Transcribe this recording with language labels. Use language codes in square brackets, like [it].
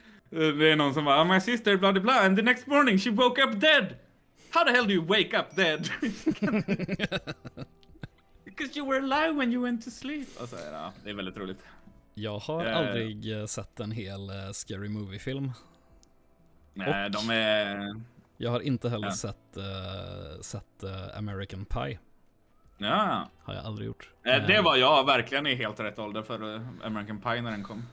[sv] Det är någon som bara, [en] my sister blah blah blah, and the next morning she woke up dead. How the hell do you wake up dead? Because you were alive when you went to sleep. [sv] Alltså, ja, det är väldigt roligt. Jag har aldrig sett en hel scary movie film. Nej, och de är... Jag har inte heller sett American Pie. Ja. Har jag aldrig gjort. Det var jag verkligen i helt rätt ålder för American Pie när den kom.